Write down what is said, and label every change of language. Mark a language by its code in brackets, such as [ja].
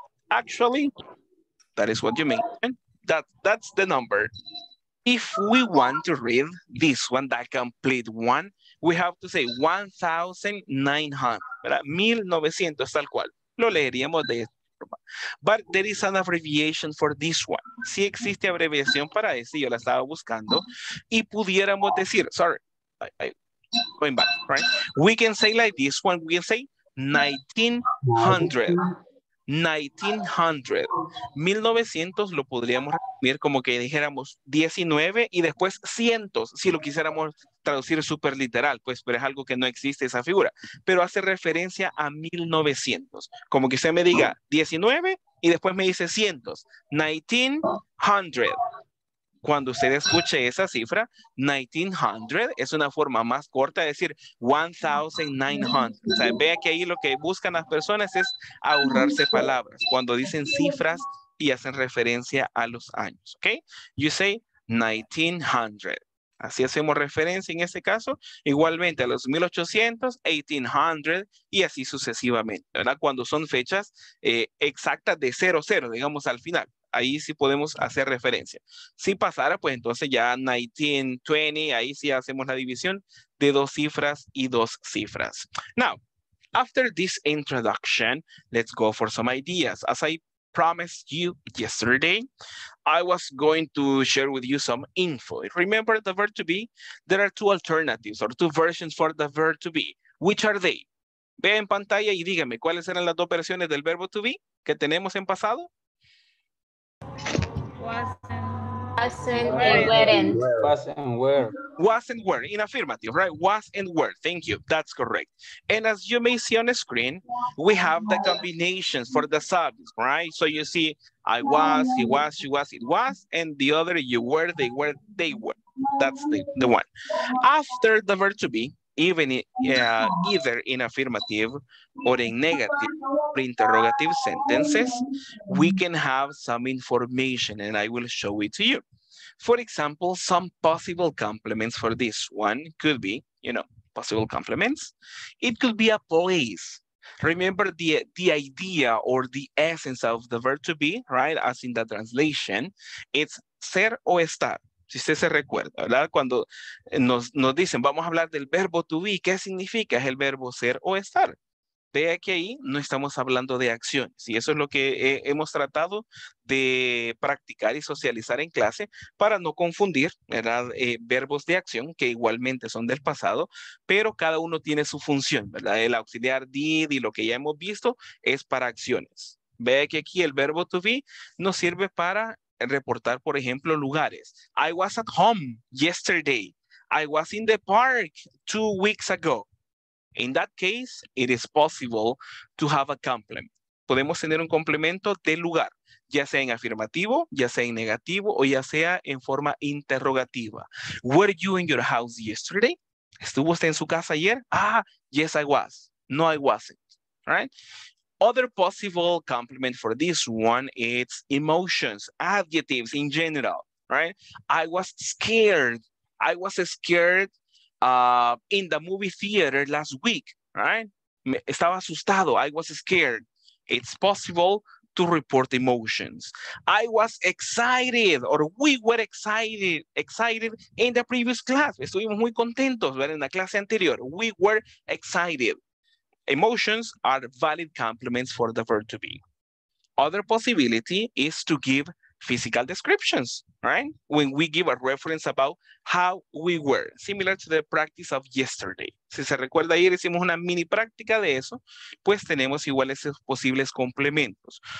[en] Actually, that is what you mean. That's the number. If we want to read this one, that complete one, we have to say 1,900. 1,900, [es] tal cual. Lo leeríamos de esta forma. [en] But there is an abbreviation for this one. [es] Sí existe abreviación para ese, yo la estaba buscando. Y pudiéramos decir, [en] sorry, going back, right? We can say like this one, we can say 1900. 1900. [es] 1900 lo podríamos resumir como que dijéramos 19 y después cientos, si lo quisiéramos traducir súper literal, pues, pero es algo que no existe esa figura. Pero hace referencia a 1900. Como que usted me diga 19 y después me dice cientos. 1900. Cuando usted escuche esa cifra, 1900 es una forma más corta de decir 1900. O sea, vea que ahí lo que buscan las personas es ahorrarse palabras. Cuando dicen cifras y hacen referencia a los años, ¿ok? [en] You say 1900. [es] Así hacemos referencia en este caso. Igualmente a los 1800, 1800 y así sucesivamente, ¿verdad? Cuando son fechas exactas de 00, digamos al final. Ahí sí podemos hacer referencia. Si pasara, pues entonces ya 1920, ahí sí hacemos la división de dos cifras y dos cifras. [en] Now, after this introduction, let's go for some ideas. As I promised you yesterday, I was going to share with you some info. Remember the verb to be? There are two alternatives or two versions for the verb to be. Which are they? [es] Ve en pantalla y dígame, ¿cuáles eran las dos versiones del verbo to be que tenemos en pasado? [en] Was and were. In affirmative, right? Was and were. Thank you. That's correct. And as you may see on the screen, we have the combinations for the subjects, right? So you see, I was, he was, she was, it was, and the other, you were, they were. That's the one. After the verb to be, even either in affirmative or in negative or interrogative sentences, we can have some information and I will show it to you. For example, some possible complements for this one could be, you know, possible complements. It could be a place. Remember the idea or the essence of the verb to be, right? As in the translation, it's ser o estar. [es] Si usted se recuerda, ¿verdad? Cuando nos dicen, vamos a hablar del verbo to be, ¿qué significa? Es el verbo ser o estar. Vea que ahí no estamos hablando de acciones. Y eso es lo que hemos tratado de practicar y socializar en clase para no confundir, ¿verdad? Verbos de acción, que igualmente son del pasado, pero cada uno tiene su función, ¿verdad? El auxiliar did y lo que ya hemos visto es para acciones. Vea que aquí el verbo to be nos sirve para reportar, por ejemplo, lugares. [en] I was at home yesterday. I was in the park 2 weeks ago. In that case, it is possible to have a complement. [es] Podemos tener un complemento de lugar, ya sea en afirmativo, ya sea en negativo, o ya sea en forma interrogativa. [en] Were you in your house yesterday? [es] ¿Estuvo usted en su casa ayer? [en] Ah, yes, I was. No, I wasn't. Right? Other possible complement for this one, it's emotions, adjectives in general, right? I was scared. I was scared in the movie theater last week, right? [es] Estaba asustado. [en] I was scared. It's possible to report emotions. I was excited, or we were excited in the previous class. [es] Estuvimos muy contentos, ¿verdad? En la clase anterior. [en] We were excited. Emotions are valid complements for the verb to be. Other possibility is to give physical descriptions, right? When we give a reference about how we were, similar to the practice of yesterday. [es] Si se recuerda ayer, hicimos una mini práctica de eso, pues tenemos igual esos posibles complementos.